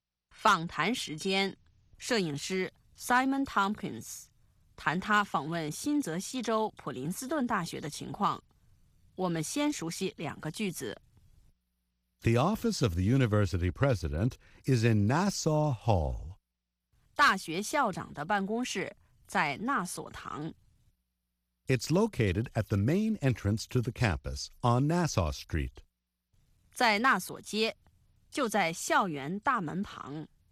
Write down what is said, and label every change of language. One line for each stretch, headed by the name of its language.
Chinese: 访谈时间，摄影师 Simon Tompkins 谈他访问新泽西州普林斯顿大学的情况。我们先熟悉两个句子。
English: The office of the university president is in Nassau Hall.
Chinese: 大学校长的办公室在纳索堂。
English: It's located at the main entrance to the campus on Nassau Street.
Chinese: 在纳索街，就在校园大门旁。